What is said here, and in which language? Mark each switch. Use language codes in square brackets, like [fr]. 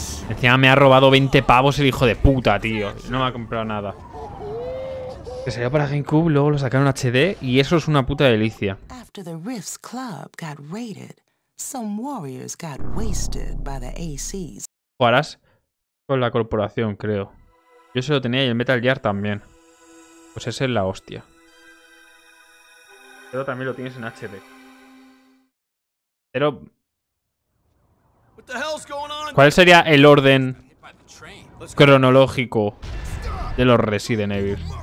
[es] Encima me ha robado 20 pavos el hijo de puta, tío. No me ha comprado nada. Que salió para GameCube, luego lo sacaron HD y eso es una puta delicia. [en] After the Rift's Club got raided, some warriors got wasted by the ACs. [es] Jugarás con la corporación, creo. Yo se lo tenía y el Metal Gear también. Pues ese es la hostia. Pero también lo tienes en HD. Pero... ¿Cuál sería el orden cronológico de los Resident Evil?